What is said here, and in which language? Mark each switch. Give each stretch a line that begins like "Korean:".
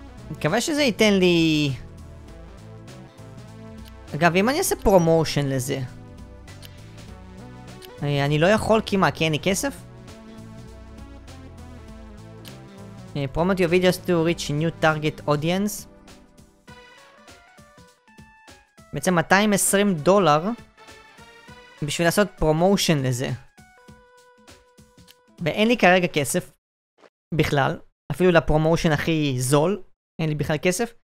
Hebrew: מקווה שזה ייתן לי... אגב, אם אני אעשה פרומושן לזה... אני לא יכול כמעט, כי אין לי כסף?
English: Promote your videos to reach new target audience.
Hebrew: בעצם $220 בשביל לעשות פרומושן לזה. ואין לי כרגע כסף בכלל, אפילו לפרומושן הכי זול. אין לי בכלל כסף.